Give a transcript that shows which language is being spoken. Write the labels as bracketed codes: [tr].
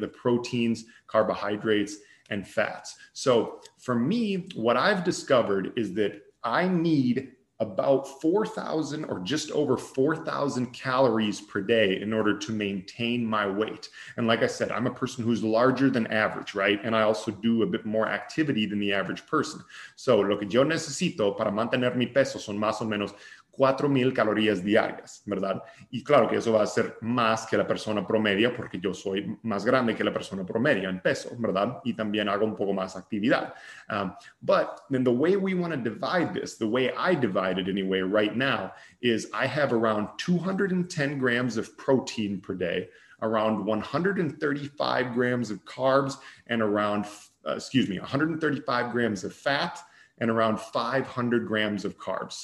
[en] The proteins, carbohydrates, and fats. So for me, what I've discovered is that I need about 4,000 or just over 4,000 calories per day in order to maintain my weight. And like I said, I'm a person who's larger than average, right? And I also do a bit more activity than the average person. [es] So lo que yo necesito para mantener mi peso son más o menos 4,000 calorías diarias, ¿verdad? Y claro que eso va a ser más que la persona promedio porque yo soy más grande que la persona promedio en peso, ¿verdad? Y también hago un poco más actividad. [en] But then the way we want to divide this, the way I divide it anyway right now, is I have around 210 grams of protein per day, around 135 grams of carbs, and around, 135 grams of fat, and around 500 grams of carbs.